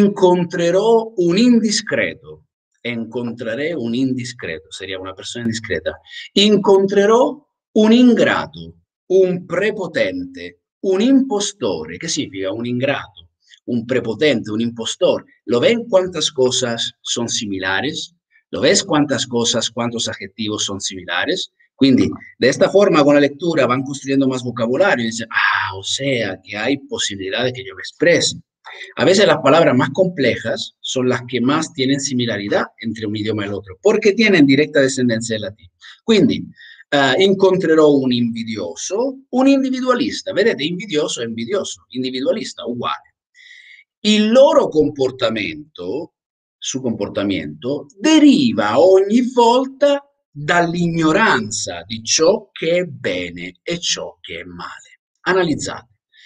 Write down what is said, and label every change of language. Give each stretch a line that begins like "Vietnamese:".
Italian: Incontrerò un indiscreto, incontrerò un indiscreto, sarei una persona indiscreta. Incontrerò un ingrato, un prepotente. Un impostore, che significa un ingrato, un prepotente, un impostore.
Spanish: ¿Lo ven cuántas cosas son similares? ¿Lo ves cuántas cosas, cuántos adjetivos son similares? Quindi, de esta forma, con la lectura, van construyendo más vocabulario. Y dice, ah, o sea, que hay posibilidades que yo me exprese. A veces las palabras más complejas son las que más tienen similaridad entre un idioma y el otro, porque tienen directa descendencia del latín.
Italian: Quindi, incontrerò un invidioso, un individualista, vedete, invidioso è invidioso, individualista, uguale. Il loro comportamento, su comportamento, deriva ogni volta dall'ignoranza di ciò che è bene e ciò che è male. Analizzate.